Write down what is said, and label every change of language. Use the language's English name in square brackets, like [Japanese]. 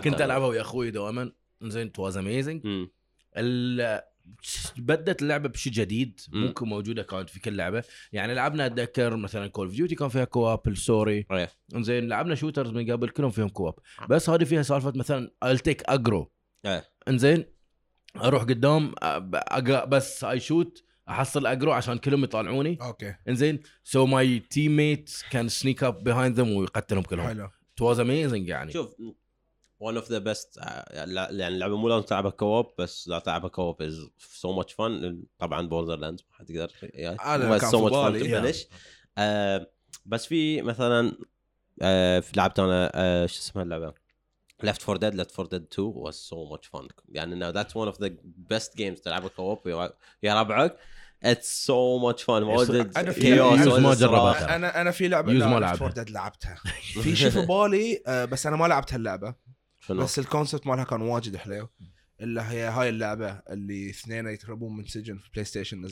[Arabic] كنت العبها ويا اخوي دوما زين تو از اميزنج بدت اللعبة بشي جديد ممكن موجودة كانت في كل لعبة يعني لعبنا أتذكر مثلاً كول أوف ديوتي كان فيها كواب السوري إنزين لعبنا شوترز من قبل كلهم فيهم كواب بس هذه فيها سالفة مثلاً التيك أجرو إنزين أروح قدام بس أي شوت أحصل أجرو عشان كلهم يطالعوني إنزين [English] so my teammates can sneak up behind them [Arabic] ويقتلهم كلهم [English] it was amazing [Arabic] يعني شوف [English] one of the best [Arabic] يعني اللعبة مو لازم تلعبها كووب بس لا تلعبها كووب [English] is so much fun [Arabic] طبعا بوردرلاندز ما حد يقدر يعني [English] so much fun [Arabic] تبنش بس في مثلا في لعبت انا شو اسمها اللعبة Left 4 Dead Left 4 Dead 2 [English] was so much fun [Arabic] يعني [English] now that's one of the best games [Arabic] تلعبها كووب يا ربعك [English] it's so much fun [Arabic] موجود انا في لعبة Left 4 Dead لعبتها في شي في بالي بس انا ما لعبت هاللعبة بس الكونسبت مالها كان واجد حلو اللي هي هاي اللعبة اللي اثنين يتربون من سجن في بلاي ستيشن